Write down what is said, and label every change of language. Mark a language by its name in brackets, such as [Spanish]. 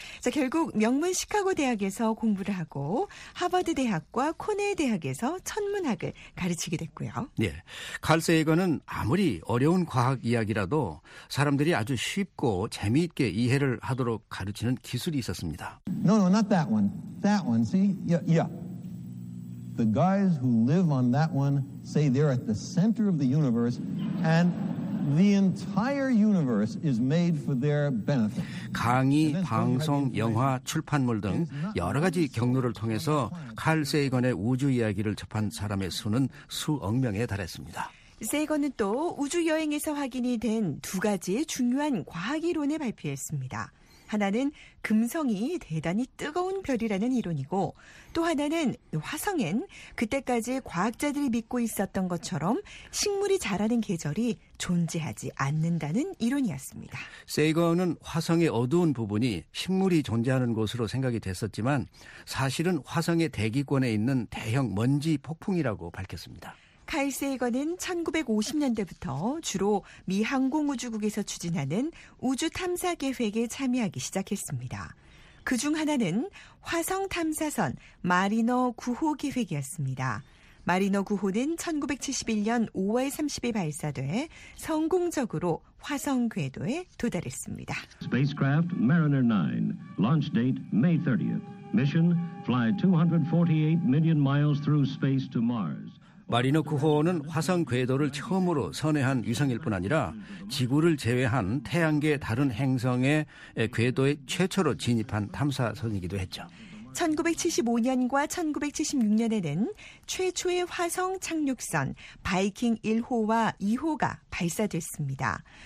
[Korean] 자, 결국 명문 시카고 대학에서 공부를 하고 하버드 대학과 코넬 대학에서 천문학을 가르치게 됐고요. 네, 칼 세이건은 아무리 어려운 과학 이야기라도 사람들이 아주 쉽고 재미있게 이해를 하도록 가르치는 기술이 있었습니다. [English] No, no, not that one. That one, see? Yeah, yeah. The guys who live on that one say they're at the center of the universe and the entire universe is made for their benefit. [Korean] 강의, 방송, 영화, 출판물 등 여러 가지 경로를 통해서 칼 세이건의 우주 이야기를 접한 사람의 수는 수억 명에 달했습니다. 세이건은 또 우주 여행에서 확인이 된 두 가지의 중요한 과학 이론을 발표했습니다. 하나는 금성이 대단히 뜨거운 별이라는 이론이고 또 하나는 화성엔 그때까지 과학자들이 믿고 있었던 것처럼 식물이 자라는 계절이 존재하지 않는다는 이론이었습니다. 세이건은 화성의 어두운 부분이 식물이 존재하는 곳으로 생각이 됐었지만 사실은 화성의 대기권에 있는 대형 먼지 폭풍이라고 밝혔습니다. 칼 세이건은 1950년대부터 주로 미 항공우주국에서 추진하는 우주 탐사 계획에 참여하기 시작했습니다. 그중 하나는 화성 탐사선 마리너 9호 계획이었습니다. 마리너 9호는 1971년 5월 30일 발사돼 성공적으로 화성 궤도에 도달했습니다. [English] Spacecraft Mariner 9, launch date May 30th. Mission: fly 248 million miles through space to Mars. [Korean] 마리너 9호는 화성 궤도를 처음으로 선회한 위성일 뿐 아니라 지구를 제외한 태양계 다른 행성의 궤도에 최초로 진입한 탐사선이기도 했죠. 1975년과 1976년에는 최초의 화성 착륙선 바이킹 1호와 2호가 발사됐습니다.